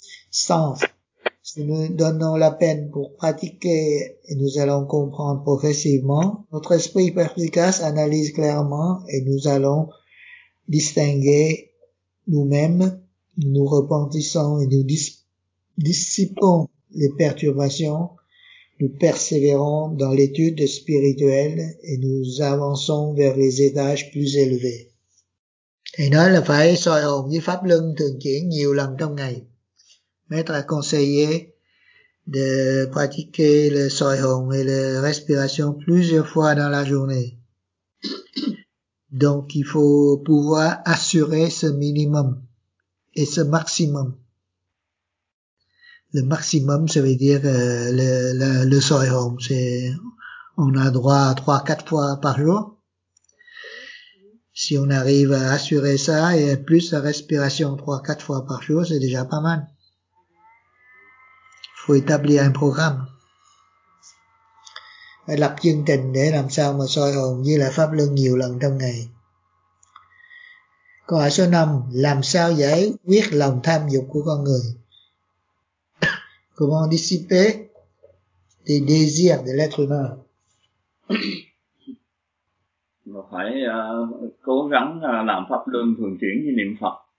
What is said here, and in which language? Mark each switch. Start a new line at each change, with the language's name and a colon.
French: Sans, si nous donnons la peine pour pratiquer et nous allons comprendre progressivement, notre esprit perspicace analyse clairement et nous allons distinguer nous-mêmes, nous repentissons et nous dissipons les perturbations, nous persévérons dans l'étude spirituelle et nous avançons vers les étages plus élevés.
Vietnamese: Thầy nói là phải soi hồn với pháp luân thường chuyển nhiều lần trong ngày.
French: Maître a conseillé de pratiquer le soi hồn et la respiration plusieurs fois dans la journée. Donc, il faut pouvoir assurer ce minimum et ce maximum. Le maximum, ça veut dire le soi hồn. On a droit à 3-4 fois par jour. Si on arrive à assurer ça, et plus la respiration 3-4 fois par jour, c'est déjà pas mal. Il faut établir un programme.
Vietnamese: Phải lập chương trình để làm sao mà soi hồn với lại pháp luân nhiều lần trong ngày. Câu hỏi số 5, làm sao giải quyết lòng tham dục của con người?
French: Comment dissiper les désirs de l'être humain?
Vietnamese: Phải cố gắng làm pháp luân thường chuyển với niệm Phật.